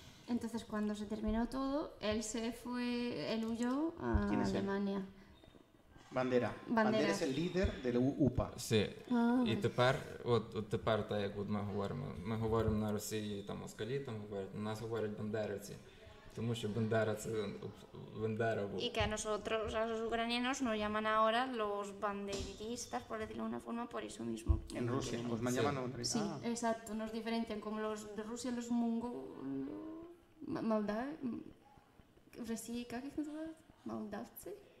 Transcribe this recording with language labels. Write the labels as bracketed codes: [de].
[es] Entonces, cuando se terminó todo, él se fue, él huyó a Alemania. Bandera. Bandera es el líder de la UPA. Sí. [uk] І тепер, тепер, так як от ми говоримо на Росії, там москалі, там говорять, нас говорять бандерівці. [ru] Потому что Бандера это Бандера. [es] И que a nosotros, a los ucranianos, nos llaman ahora los banderistas, por decirlo de una forma, por eso mismo. En Rusia, nos llaman banderistas. Sí, exacto, nos diferencian como los de Rusia, los mongoles, Moldavia, Rusia, ¿qué es eso? Moldavce.